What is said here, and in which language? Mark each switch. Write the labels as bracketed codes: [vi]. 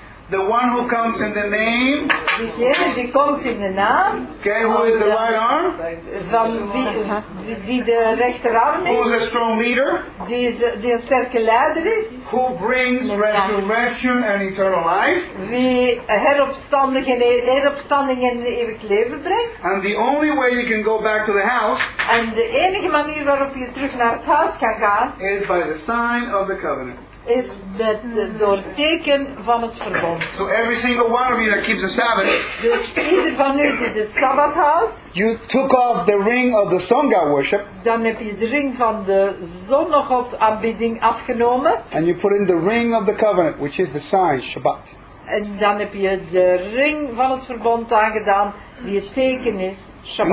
[en] The one who comes in the name. [nl] Diegene die komt in de naam. [en] Okay, who is the right arm? [nl] Van wie die de rechterarm is. [en] Who is a strong leader? [nl] Die een sterke leider is. [en] Who brings resurrection and eternal life? [nl] Wie heropstanding en eeuwig leven brengt. [en] And the only way you can go back to the house. [nl] En de enige manier waarop je terug naar het huis kan gaan. [en] Is by the sign of the covenant. [nl] Is met door het teken van het verbond. [en] So every single one of you that keeps the Sabbath. [nl] Dus ieder van u die de Sabbat houdt. [en] You took off the ring of the sun god worship. [nl] Dan heb je de ring van de zonnegod aanbidding afgenomen. [en] And you put in the ring of the covenant, which is the sign Shabbat. [nl] En dan heb je de ring van het verbond aangedaan, die het teken is Shabbat.